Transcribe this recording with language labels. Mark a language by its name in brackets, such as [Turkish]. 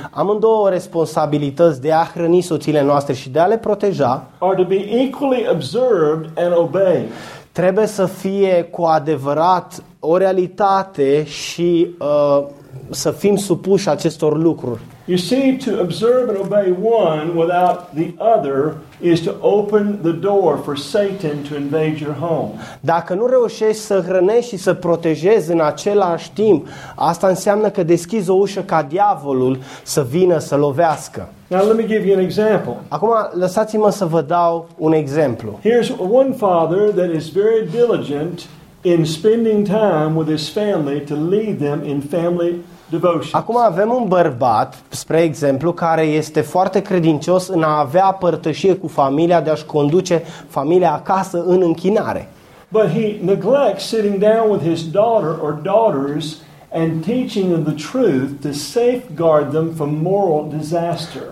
[Romanian] Amândouă responsabilități de a hrăni soțiile noastre și de a le proteja. [English] Are to be equally observed and obeyed. [Romanian] Trebuie să fie cu adevărat o realitate și să fim supuși acestor lucruri. [English] You see, to observe and obey one without the other is to open the door for Satan to invade your home. [Romanian] Dacă nu reușești să hrănești și să protejezi în același timp, asta înseamnă că deschizi o ușă ca diavolul să vină să lovească. [English] Now let me give you an example. [Romanian] Acum lăsați-mă să vă dau un exemplu. [English] Here's one father that is very diligent in spending time with his family to lead them in family devotion. [Romanian] Acum avem un bărbat, spre exemplu, care este foarte credincios în a avea părtășie cu familia, de a-și conduce familia acasă în închinare. [English] But he neglects sitting down with his daughter or daughters and teaching them the truth to safeguard them from moral disaster.